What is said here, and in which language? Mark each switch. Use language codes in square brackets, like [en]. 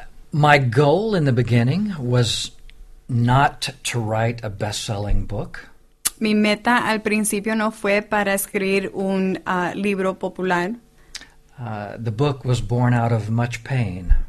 [en] My goal in the beginning was not to write a best-selling book. [es] Mi meta al principio no fue para escribir un libro popular. [en] The book was born out of much pain.